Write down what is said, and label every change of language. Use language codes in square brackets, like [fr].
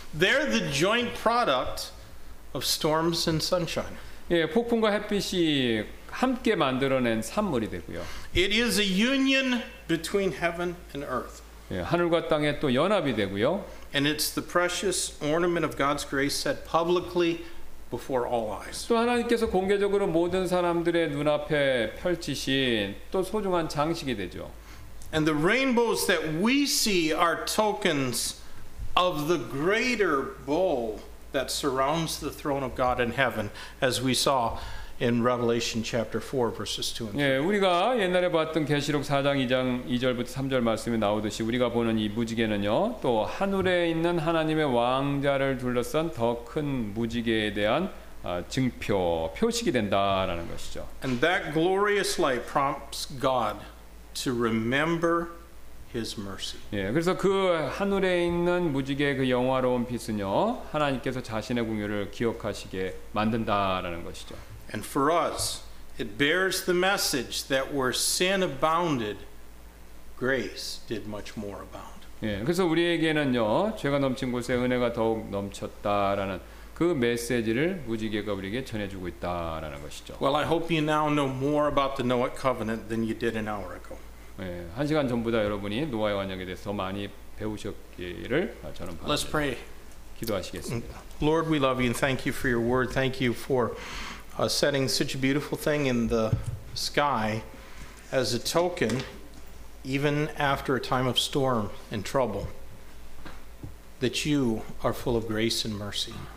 [en] They're the joint product of storms and sunshine. [ko] 예, 폭풍과 햇빛이 함께 만들어낸 산물이 되고요. [en] It is a union between heaven and earth. [ko] 예, 하늘과 땅의 또 연합이 되고요. [en] And it's the precious ornament of God's grace set publicly before all eyes. [ko] 또 하나님께서 공개적으로 모든 사람들의 눈앞에 펼치신 또 소중한 장식이 되죠. [en] And the rainbows that we see are tokens of the greater bowl that surrounds the throne of God in heaven as we saw in Revelation chapter 4 verses 2 and 3. [ko] 예, 우리가 옛날에 봤던 계시록 4장 2장 2절부터 3절 말씀에 나오듯이 우리가 보는 이 무지개는요. 또 하늘에 있는 하나님의 왕좌를 둘러싼 더 큰 무지개에 대한 증표, 표식이 된다라는 것이죠. [en] And that glorious light prompts God to remember His mercy. [ko] 예, 그래서 그 하늘에 있는 무지개의 그 영화로운 빛은요. 하나님께서 자신의 궁휼을 기억하시게 만든다라는 것이죠. [en] And for us, it bears the message that where sin abounded, grace did much more abound. [ko] 예, 그래서 우리에게는요, 죄가 넘친 곳에 은혜가 더욱 넘쳤다라는 그 메시지를 무지개가 우리에게 전해주고 있다라는 것이죠. [en] Well, I hope you now know more about the Noah covenant than you did an hour ago. [ko] 예, 한 시간 전보다 여러분이 노아의 언약에 대해서 많이 배우셨기를 저는 바랍니다. [en] Let's pray. [ko] 기도하시겠습니다. [en] Lord, we love you and thank you for your word. Thank you for setting such a beautiful thing in the sky as a token, even after a time of storm and trouble, that you are full of grace and mercy.